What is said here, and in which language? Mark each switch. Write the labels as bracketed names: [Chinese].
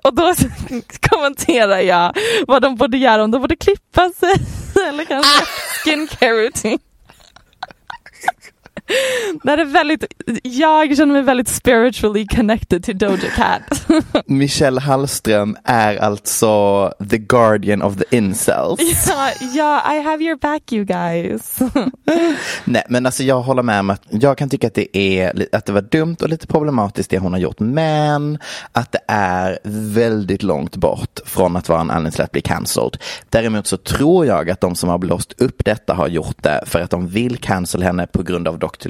[Swedish] Och då kommenterar jag vad de borde göra, om de borde klippa sig eller kanske [English] skincare routine. [Swedish] Det är väldigt, jag känner mig väldigt [English] spiritually connected [Swedish] till Doja Cat. Michelle Hallström är alltså [English] the guardian of the incels. Ja, I have your back, you guys. [Swedish] Nej, men alltså jag håller med om att jag kan tycka att det var dumt och lite problematiskt det hon har gjort, men att det är väldigt långt bort från att vara en anledning att bli cancelled. Däremot så tror jag att de som har blåst upp detta har gjort det för att de vill cancel henne på grund av Dr.